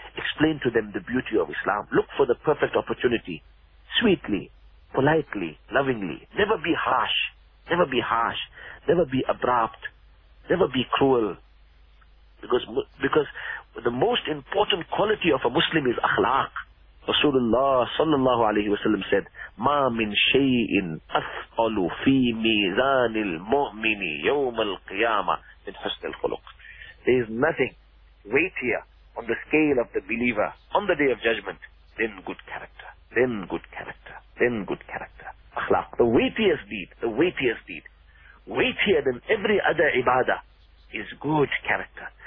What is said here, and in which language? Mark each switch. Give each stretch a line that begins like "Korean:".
English: Explain to them the beauty of Islam. Look for the perfect opportunity. Sweetly, politely, lovingly. Never be harsh. Never be harsh. Never be abrupt. Never be cruel. Because the most important quality of a Muslim is akhlaq.
Arabic: Rasulullah sallallahu alayhi wa sallam said, مَا مِن شَيْءٍ أَثْقَلُ فِي مِيزَانِ الْمُؤْمِنِ يَوْمَ الْقِيَامَةِ مِنْ حُسْنِ الْخُلُقِ.
English: There is nothing weightier on the scale of the believer on the day of judgment than good character. Then good character. Then good character. Akhlaq. The weightiest deed. The weightiest deed. Weightier than every other ibadah is good character.